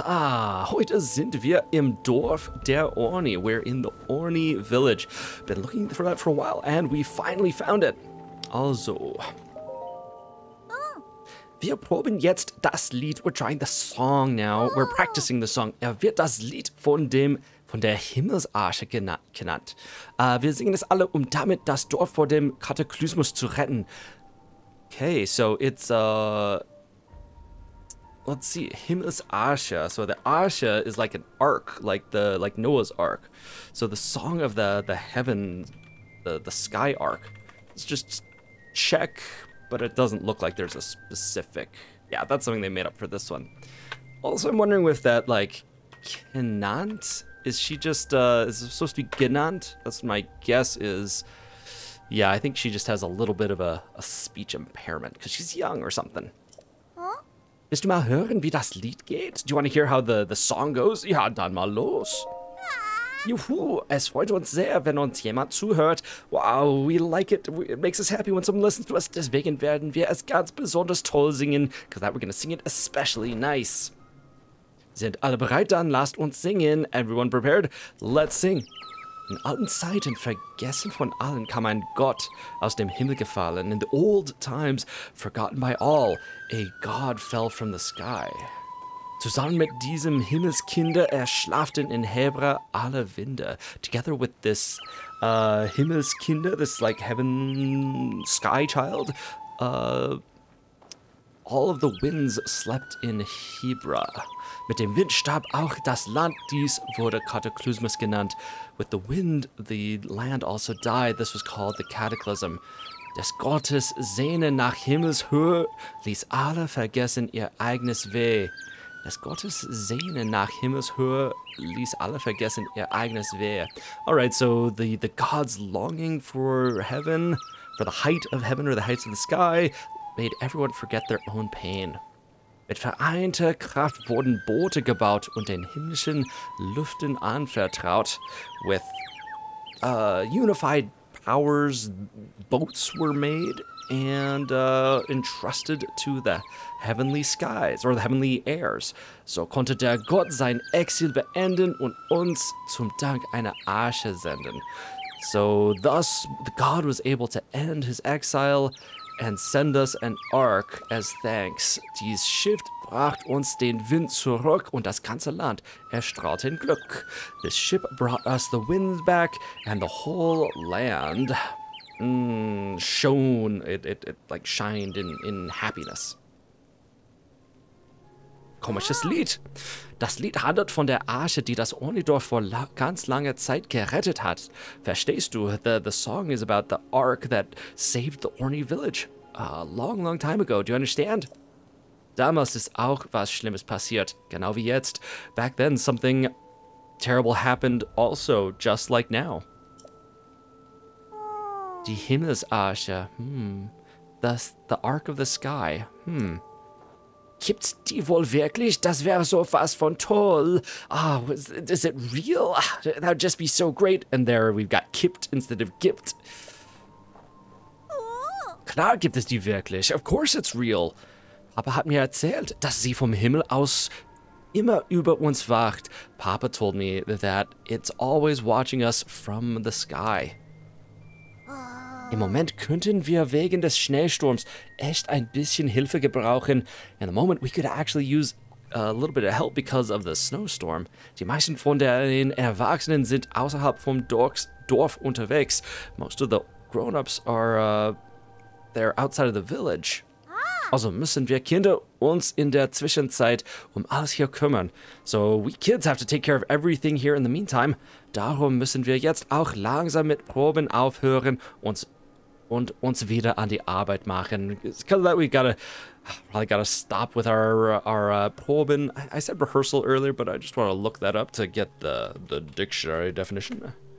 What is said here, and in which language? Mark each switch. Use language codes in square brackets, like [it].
[de] Ah, heute sind wir im Dorf der Orni. [en] We're in the Orni village. Been looking for that for a while, and we finally found it. [de] Also, wir proben jetzt das Lied. [en] We're trying the song now. We're practicing the song. [de] Wird das Lied von der Himmelsarche genannt. Wir singen es alle, damit das Dorf vor dem Kataklysmus zu retten. [en] Okay, so it's, let's see, Himmelsarche. So the Arche is like an ark, like Noah's ark. So the song of the heaven, the sky ark. It's just check, but it doesn't look like there's a specific. Yeah, that's something they made up for this one. Also, I'm wondering with that, like, Kenant? Is she just, is it supposed to be Genant? That's what my guess is. Yeah, I think she just has a little bit of a speech impairment because she's young or something. [de] Willst du mal hören, wie das Lied geht? [en] Do you want to hear how the song goes? [de] Ja, dann mal los. Juhu, es freut uns sehr, wenn uns jemand zuhört. [en] Wow, we like it. It makes us happy when someone listens to us. [de] Deswegen werden wir es ganz besonders toll singen. [en] Because that we're going to sing it especially nice. [de] Sind alle bereit? Dann lasst uns singen. [en] Everyone prepared? Let's sing. [de] In alten Zeiten, vergessen von allen, kam ein Gott aus dem Himmel gefallen. [en] In the old times, forgotten by all, a God fell from the sky. [de] Zusammen mit diesem Himmelskinder erschlaften in Hebra alle Winde. [en] Together with this Himmelskinder, this like heaven sky child, all of the winds slept in Hebra. [de] Mit dem Wind starb auch das Land, dies wurde Kataklysmus genannt. [en] With the wind, the land also died, this was called the Cataclysm. [de] Des Gottes Sehnen nach Himmelshöhe ließ alle vergessen ihr eigenes Weh. Des Gottes Sehnen nach Himmelshöhe ließ alle vergessen ihr eigenes Weh. [en] Alright, so the God's longing for heaven, for the height of heaven or the heights of the sky, made everyone forget their own pain. [de] Mit vereinter Kraft wurden Boote gebaut und den himmlischen Lüften anvertraut. [en] With unified powers, boats were made and entrusted to the heavenly skies, or the heavenly airs. [de] So konnte der Gott sein Exil beenden und uns zum Dank eine Arche senden. [en] So thus, the God was able to end his exile and send us an ark as thanks. [de] Dies Schiff brachte uns den Wind zurück und das ganze Land erstrahlte in Glück. [en] This ship brought us the wind back and the whole land shone. It like shined in happiness. [de] Komisches Lied. Das Lied handelt von der Arche, die das Ornidorf vor ganz langer Zeit gerettet hat. Verstehst du? [en] The song is about the ark that saved the Orni village. A long, long time ago. Do you understand? [de] Damals ist auch was Schlimmes passiert. Genau wie jetzt. [en] Back then, something terrible happened also, just like now. [de] Die Himmelsarche. [en] The Ark of the Sky. [de] Gibt's die wohl wirklich? Das wäre so fast von toll. [en] Ah, is it real? That would just be so great. And there we've got kippt instead of gibt. [de] Klar gibt es die wirklich. [en] Of course it's real. [de] Papa hat mir erzählt, dass sie vom Himmel aus immer über uns wacht. [en] Papa told me that it's always watching us from the sky. [de] Im Moment könnten wir wegen des Schneesturms echt ein bisschen Hilfe gebrauchen. [en] In the moment we could actually use a little bit of help because of the snowstorm. [de] Die meisten von den Erwachsenen sind außerhalb vom Dorf unterwegs. [en] Most of the grown-ups are they're outside of the village. [de] Also müssen wir Kinder uns in der Zwischenzeit alles hier kümmern. [en] So we kids have to take care of everything here in the meantime. [de] Darum müssen wir jetzt auch langsam mit Proben aufhören und uns wieder an die Arbeit machen. [en] It's because that we probably gotta stop with our Proben. I said rehearsal earlier, but I just want to look that up to get the dictionary definition.